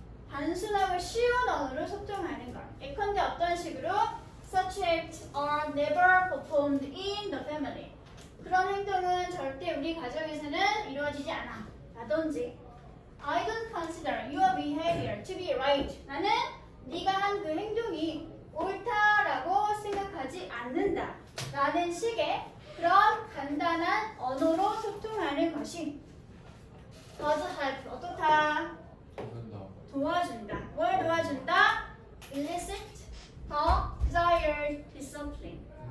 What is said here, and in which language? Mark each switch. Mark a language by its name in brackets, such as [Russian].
[Korean] 단순하고 쉬운 언어로 소통하는 것. 예컨대 어떤 식으로? [English] Such acts are never performed in the family. 그런 행동은 절대 우리 가정에서는 이루어지지 않아. [Korean] 라든지 [English] I don't consider your behavior to be right. [Korean] 나는 네가 한 그 행동이 옳다라고 생각하지 않는다. 라는 식의 그런 간단한 언어로 소통하는 것이 [English] does help [Korean] 어떻다? 도와준다. 뭘 도와준다? [English] Elicit the desired discipline.